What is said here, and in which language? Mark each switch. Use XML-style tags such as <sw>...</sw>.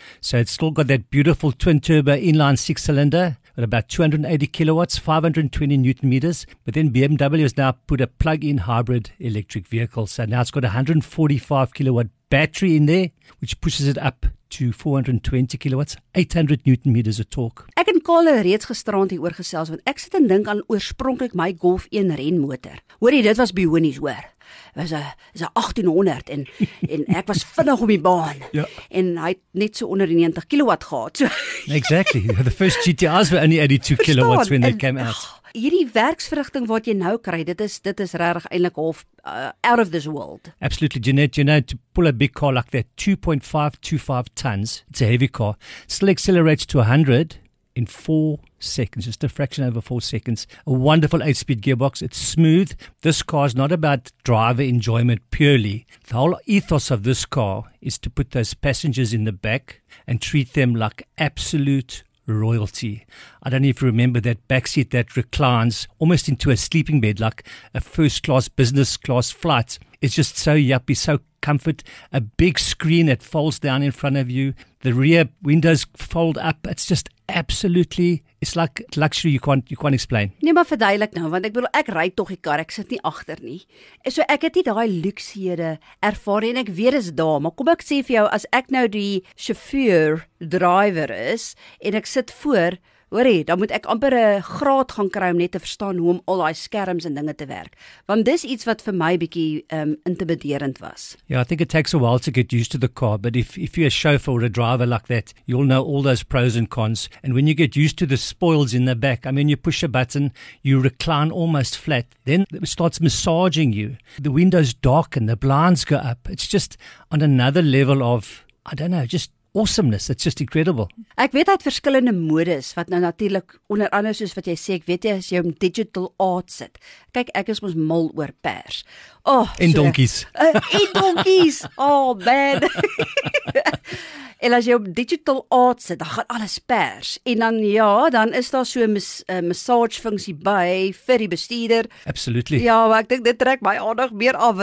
<en>So it's still got that beautiful twin turbo inline six cylinder at about 280 kilowatts, 520 newton meters. But then BMW has now put a plug-in hybrid electric vehicle. So now it's got 145 kilowatt battery in there, which pushes it up to 420 kilowatts, 800 newton meters of torque.</en> <af>Ek en Karl het reeds gisterand hier oor gesels, want ek sit en dink aan oorspronklik my Golf 1 renmotor. Hoorie, dit was bionies hoor. Was 'n 1800 en ek was vinnig op die baan. Ja. En hy het net so onder die 90 kilowatt gehad. So.</af> <en>Exactly. The first GTRs were only 82 kilowatts when they came out.</en> <af>Hierdie werksverrigting wat jy nou kry, dit is regtig eintlik half</af> <en>out of this world. Absolutely, Jeanette, you know, to pull a big car like that, 2.525 tons, it's a heavy car, still accelerates to 100 in 4 seconds, just a fraction over 4 seconds. A wonderful 8-speed gearbox, it's smooth. This car is not about driver enjoyment purely. The whole ethos of this car is to put those passengers in the back and treat them like absolute royalty. I don't know if you remember that backseat that reclines almost into a sleeping bed, like a first-class business-class flight. It's just so yuppie, so comfort. A big screen that folds down in front of you. The rear windows fold up. It's just absolutely, it's like luxury you can't explain.</en> <af>Nee, maar verduidelik nou, want ek bedoel, ek ry tog die kar, ek sit nie agter nie. So ek het nie daai luksehede ervaar en ek weet is daar, maar kom ek sê vir jou, as ek nou die chauffeur driver is en ek sit voor, Hoorie, dan moet ek amper 'n graad gaan kry om net te verstaan hoe om al die skerms en dinge te werk. Want dis iets wat vir my bietjie intimiderend was.</af> <en>Yeah, I think it takes a while to get used to the car, but if you're a chauffeur or a driver like that, you'll know all those pros and cons. And when you get used to the spoils in the back, I mean, you push a button, you recline almost flat, then it starts massaging you. The windows darken, the blinds go up. It's just on another level of, I don't know, just awesomeness. It's just incredible.</en> <af>Ek weet uit verskillende modes, wat nou natuurlik onder andere soos wat jy sê, ek weet jy as jy om digital art sit. Kyk, ek is ons mal oor pers. Oh, en donkies. En donkies. Oh, man. En as jy op digital art sit, dan gaan alles pers. En dan, ja, dan is daar so'n massage funksie by vir die bestuurder.</af> <en>Absolutely.</en> <af>Ja, maar ek dink dit trek my aandag meer af.</af>